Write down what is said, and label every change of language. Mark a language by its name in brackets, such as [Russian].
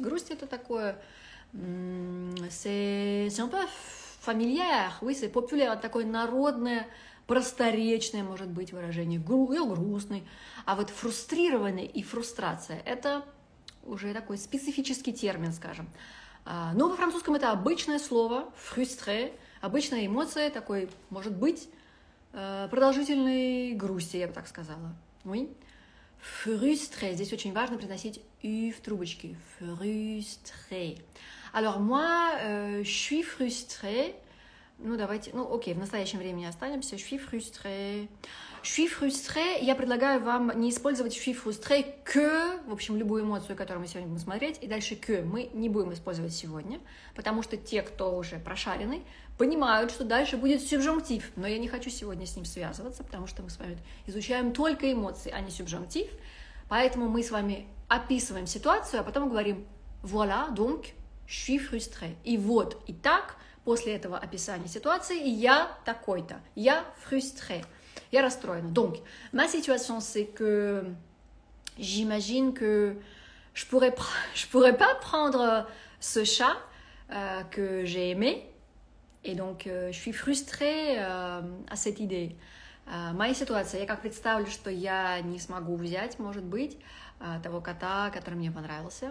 [Russian] Грусть это такое, [French] c'est un peu familier, oui, c'est populaire, [Russian] такое народное, просторечное может быть выражение, грустный, а вот фрустрированный и фрустрация это уже такой специфический термин, скажем. Но во французском это обычное слово, frustré, обычная эмоция такой, может быть, продолжительной грусти, я бы так сказала. [French] Oui. [Russian] Frustré, здесь очень важно произносить «ю» в трубочке. [French] Frustré. Alors, moi, je suis frustré. [Russian] Ну, давайте, ну, окей, в настоящем времени останемся. [French] Je suis frustré. Je suis frustré. [Russian] Я предлагаю вам не использовать [French] je suis frustré que, [Russian] в общем, любую эмоцию, которую мы сегодня будем смотреть, и дальше que мы не будем использовать сегодня, потому что те, кто уже прошаренный, понимают, что дальше будет субжунктив. Но я не хочу сегодня с ним связываться, потому что мы с вами изучаем только эмоции, а не субжунктив. Поэтому мы с вами описываем ситуацию, а потом говорим [French] voilà, donc, je suis frustré. [Russian] И вот, и так... После этого описания ситуации я такой-то. Я [French] frustré. [Russian] Я расстроена. [French] Donc, ma situation, c'est que j'imagine que je pourrais pas prendre ce chat que j'ai aimé. Et donc, je suis frustré à cette idée. [Russian] Моя ситуация. Я как представлю, что я не смогу взять, может быть, того кота, который мне понравился.